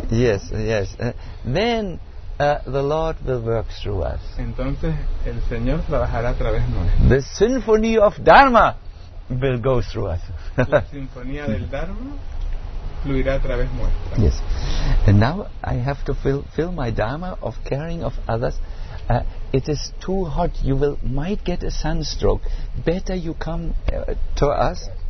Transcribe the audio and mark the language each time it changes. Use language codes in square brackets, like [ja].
[en] Yes, yes. Then the Lord will work through us. [es] Entonces el Señor trabajará a través nuestro. [en] The symphony of dharma will go through us. [es] La sinfonía del dharma fluirá a través nuestra. [en] Yes. And now I have to fill my dharma of caring of others. It is too hot. You will might get a sunstroke. Better you come to us.